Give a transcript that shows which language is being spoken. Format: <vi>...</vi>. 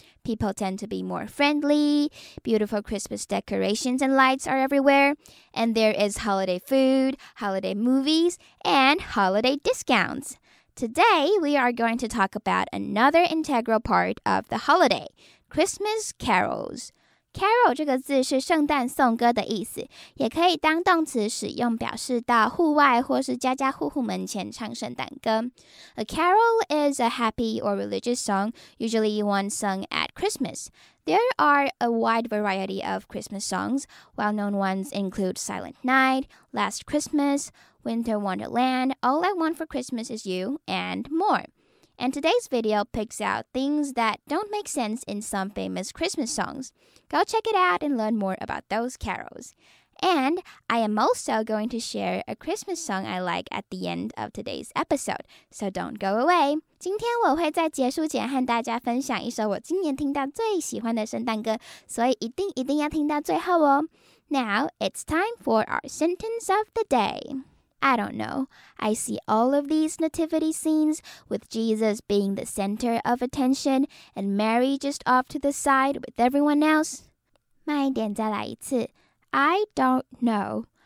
<en>People tend to be more friendly, beautiful Christmas decorations and lights are everywhere, and there is holiday food, holiday movies, and holiday discounts. Today, we are going to talk about another integral part of the holiday, Christmas carols.</en> <zh>Carol 这个字是圣诞颂歌的意思，也可以当动词使用，表示到户外或是家家户户门前唱圣诞歌。</zh> <en>A carol is a happy or religious song, usually one sung at Christmas. There are a wide variety of Christmas songs. Well-known ones include Silent Night, Last Christmas, Winter Wonderland, All I Want for Christmas Is You, and more. And today's video picks out things that don't make sense in some famous Christmas songs. Go check it out and learn more about those carols. And I am also going to share a Christmas song I like at the end of today's episode, so don't go away.</en> <zh>今天我会在结束前和大家分享一首我今年听到最喜欢的圣诞歌，所以一定一定要听到最后哦。</zh> <en>Now it's time for our sentence of the day. I don't know. I see all of these nativity scenes with Jesus being the center of attention and Mary just off to the side with everyone else.</en> <zh>慢一点再来一次。</zh> <en>I don't know.</en>